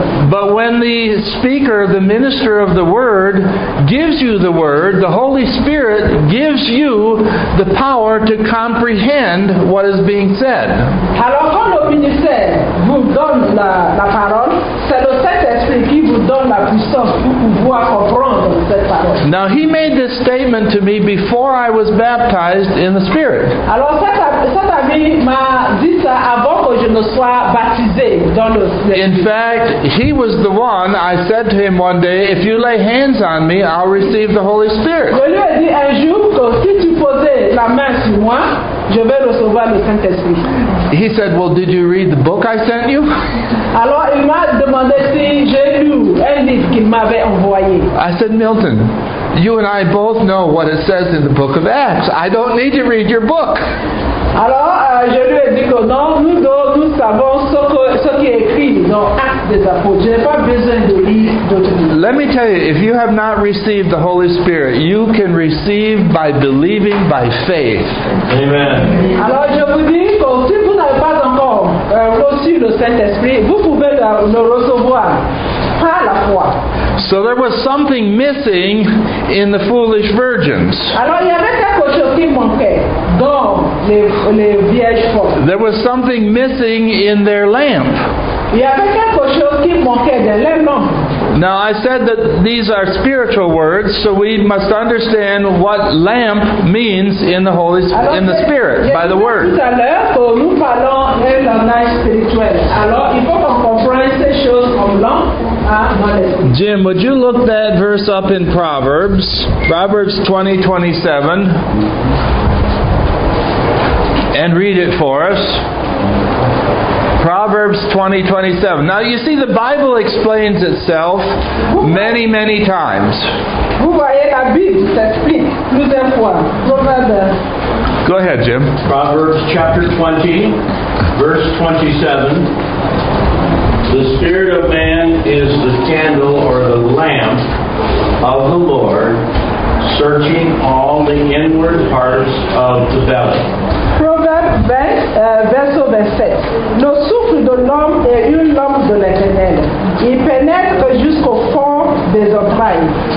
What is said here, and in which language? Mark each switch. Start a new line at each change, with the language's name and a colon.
English: But when the speaker, the minister of the Word, gives you the Word, the Holy Spirit gives you the power to comprehend what is being said.
French: Alors, quand le ministère vous donne la parole, c'est le Saint-Esprit qui vous donne la puissance pour pouvoir comprendre cette parole.
English: Now, he made this statement to me before I was baptized in the Spirit.
French: Alors, cet ami m'a dit ça avant que je ne sois baptisé dans le Spirit.
English: In fact, he was the one, I said to him one day, "If you lay hands on me, I'll receive the Holy Spirit."
French: Je lui ai dit un jour que si tu posais la main sur moi, je vais recevoir le Saint-Esprit.
English: He said, "Well, did you read the book I sent you?"
French: Alors, il m'a demandé si j'ai lu un livre qu'il m'avait envoyé.
English: I said, "Milton, you and I both know what it says in the book of Acts. I don't need to read your book."
French: Alors, je lui ai dit que non, nous savons ce qui est écrit dans Actes des Apôtres. Je n'ai pas besoin de lire d'autres livres.
English: Let me tell you, if you have not received the Holy Spirit, you can receive by believing, by faith. Amen.
French: Alors, je vous dis que si vous n'avez pas encore reçu le Saint-Esprit, vous pouvez le recevoir par la foi.
English: So there was something missing in the foolish virgins.
French: Alors, il y avait quelque chose qui manquait dans les vierges folles.
English: There was something missing in their lamp.
French: Il y avait quelque chose qui manquait dans leur lampe.
English: Now, I said that these are spiritual words, so we must understand what lamp means in the Holy Spirit, in the Spirit, by the Word.
French: Tout à l'heure, quand nous parlons de langage spirituel, alors il faut qu'on comprenne ces choses comme lampe.
English: Jim, would you look that verse up in Proverbs? Proverbs 20:27. And read it for us. Proverbs 20:27. Now you see, the Bible explains itself many, many times.
French: Vous voyez, la Bible s'explique plusieurs fois.
English: Proverbs. Go ahead, Jim. Proverbs chapter 20, verse 27. "The spirit of man is the candle or the lamp of the Lord, searching all the inward parts of the belly."
French: Proverbe 20, verset 27. "Le souffle de l'homme est une lampe de l'éternel. Il pénètre jusqu'au fond des entrailles."